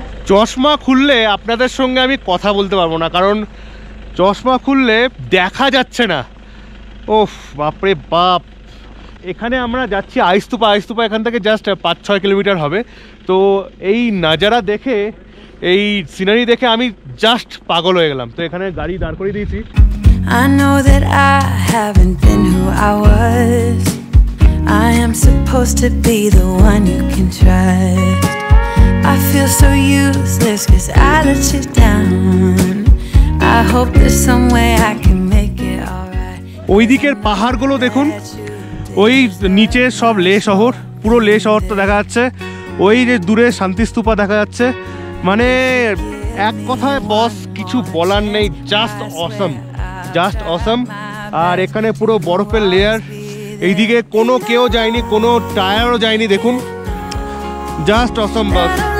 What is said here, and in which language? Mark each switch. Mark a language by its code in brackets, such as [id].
[bn] চশমা খুললে আপনাদের সঙ্গে আমি কথা বলতে পারবো না, কারণ চশমা খুললে দেখা যাচ্ছে না। ওফ, বাপরে বাপ। এখানে আমরা যাচ্ছি আইস স্তূপা। আইস স্তূপা এখান থেকে জাস্ট 5-6 কিলোমিটার হবে। তো এই নাজারা দেখে, এই সিনারি দেখে আমি জাস্ট পাগল হয়ে গেলাম। তো এখানে গাড়ি দাঁড় করিয়ে দিয়েছি। [en] I know that I haven't been who I was. I am supposed to be the one you can trust. I feel so useless 'cause I let you down. I hope there's some way I can make it alright. [bn] ওই দিকের পাহাড়গুলো দেখুন, ওই নিচে সব লে শহর, পুরো লে শহরটা দেখা যাচ্ছে। ওই যে দূরে শান্তি স্তূপা দেখা যাচ্ছে, মানে এক কথায় বস কিছু বলার নেই, জাস্ট অসম, জাস্ট অসম। আর এখানে পুরো বরফের লেয়ার, এইদিকে কোনো কেউ যায়নি, কোনো টায়ারও যায়নি, দেখুন জাস্ট অসম বস।